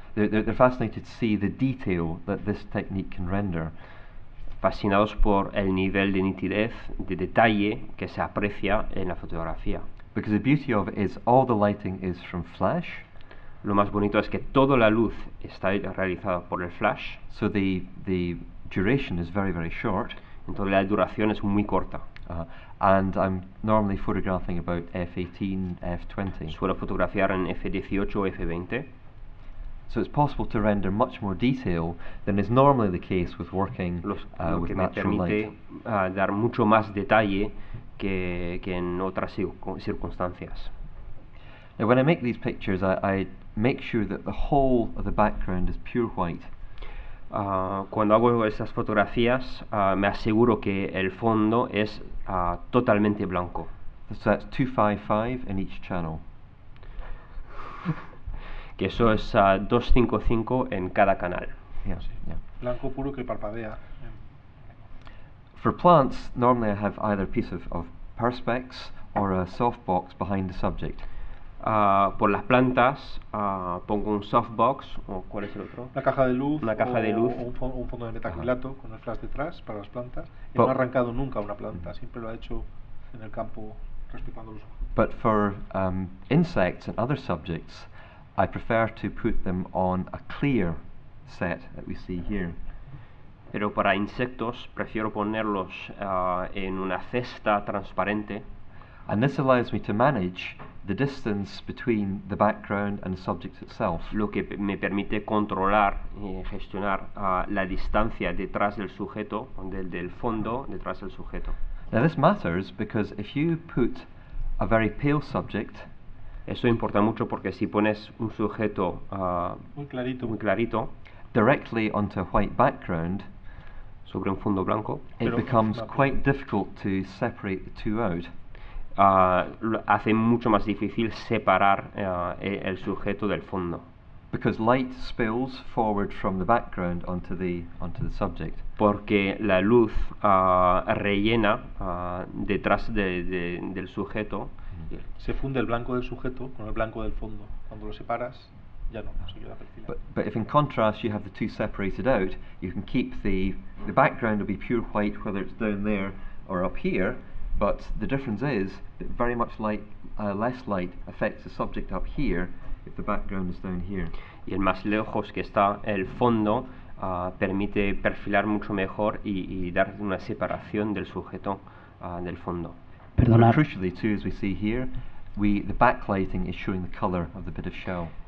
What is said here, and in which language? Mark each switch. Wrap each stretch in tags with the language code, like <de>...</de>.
<en>They're fascinated to see the detail that this technique can render.</en> <es>Fascinados por el nivel de nitidez, de detalle que se aprecia en la fotografía.</es> <en>Because the beauty of it is all the lighting is from flash.</en> <es>Lo más bonito es que toda la luz está realizada por el flash.</es> <en>So the duration is very, very short.</en> <es>Entonces la duración es muy corta.</es> <en>And I'm normally photographing about f/18, f/20.</en> <es>Suelo fotografiar en f/18 o f/20.</es> <en>So it's possible to render much more detail than is normally the case with working with natural light.</en> <es>Lo que me permite dar mucho más detalle que en otras circunstancias.</es> <en>Now when I make these pictures, I make sure that the whole of the background is pure white.</en> <es>Cuando hago esas fotografías, me aseguro que el fondo es totalmente blanco.</es> <en>So that's 255 in each channel.</en> <es>Que eso es 255 en cada canal.</es> <en>Yeah.</en> <es>Blanco puro que parpadea.</es> <en>For plants, normally I have either a piece of perspex or a softbox behind the subject.</en> <es>Por las plantas pongo un softbox o ¿cuál es el otro? Una caja de luz o un fondo de metacrilato con el flash detrás para las plantas. No ha arrancado nunca una planta, siempre lo ha hecho en el campo respetando los ojos.</es> <en>But for insects and other subjects, I prefer to put them on a clear set that we see here.</en> <es>Pero para insectos prefiero ponerlos en una cesta transparente.</es> <en>And this allows me to manage the distance between the background and the subject itself.</en> <es>Lo que me permite controlar y gestionar la distancia detrás del sujeto, del fondo detrás del sujeto.</es> <en>Now this matters because if you put a very pale subject,</en> <es>eso importa mucho porque si pones un sujeto muy clarito,</es> <en>directly onto a white background,</en> <es>sobre un fondo blanco,</es> <en>it becomes quite difficult to separate the two out.</en> <es>Hace mucho más difícil separar el sujeto del fondo.</es> <en>Because light spills forward from the background onto the subject.</en> <es>Porque la luz rellena detrás del sujeto. Se funde el blanco del sujeto con el blanco del fondo. Cuando lo separas, ya no se queda perfilado.</es> <en>But if in contrast you have the two separated out, you can keep the background will be pure white whether it's down there or up here. But the difference is that very much light, less light affects the subject up here if the background is down here.</en> <es>Y el más lejos que está el fondo permite perfilar mucho mejor y dar una separación del sujeto del fondo. Perdona.</es> <en>But crucially too, as we see here, the backlighting is showing the color of the bit of shell.</en>